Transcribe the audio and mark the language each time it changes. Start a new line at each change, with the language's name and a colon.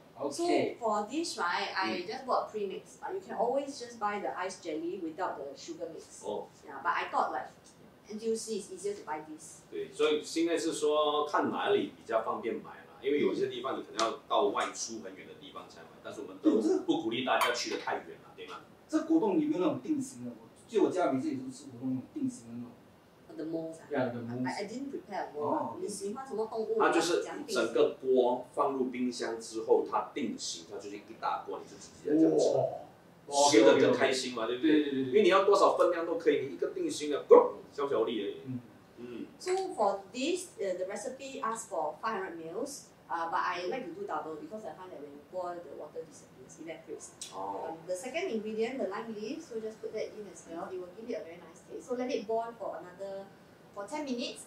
English: So for this, right, I just bought premix, but you can always just buy the ice jelly without the sugar mix. Yeah, but I thought like NTUC is easier to buy this.
Chinese: 对，所以现在是说看哪里比较方便买了，因为有些地方你可能要到外出很远的地方才买，但是我们都不鼓励大家去的太远了，对吗？这果冻有没有那种定型的？就我家里自己都吃果冻那种定型的那种。
English: The mold, yeah, the mold. I didn't prepare mold.
Chinese: 你喜欢什么动物？它就是整个锅放入冰箱之后，它定型，它就是一大锅，你就直接这样吃，吃的更开心嘛，对不对？对。因为你要多少分量都可以，你一个定型的，咕，小小粒而已。
English: So for this, the recipe asks for 500 mils. But I like to do double because I find that when you boil, the water disappears, evaporates. The second ingredient, the lime leaves, so just put that in as well. It will give it a very nice taste. So let it boil for 10 minutes.